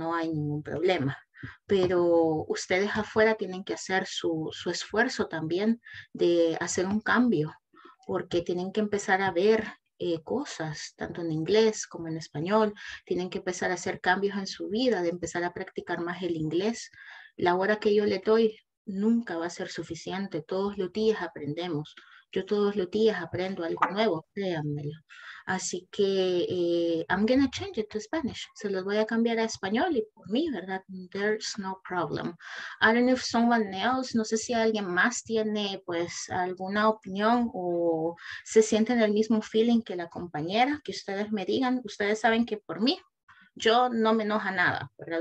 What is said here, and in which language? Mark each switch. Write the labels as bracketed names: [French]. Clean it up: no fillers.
[Spanish] No hay ningún problema. Pero ustedes afuera tienen que hacer su esfuerzo también de hacer un cambio, porque tienen que empezar a ver cosas, tanto en inglés como en español. Tienen que empezar a hacer cambios en su vida, de empezar a practicar más el inglés. La hora que yo le doy nunca va a ser suficiente. Todos los días aprendemos. Yo todos los días aprendo algo nuevo, créanmelo. Así que [English] I'm going to change it to Spanish. [Spanish] Se los voy a cambiar a español y por mí, ¿verdad? [English] There's no problem. I don't know if someone else, [Spanish] no sé si alguien más tiene pues alguna opinión o se siente en el mismo feeling que la compañera, que ustedes me digan. Ustedes saben que por mí, yo no me enoja nada, ¿verdad?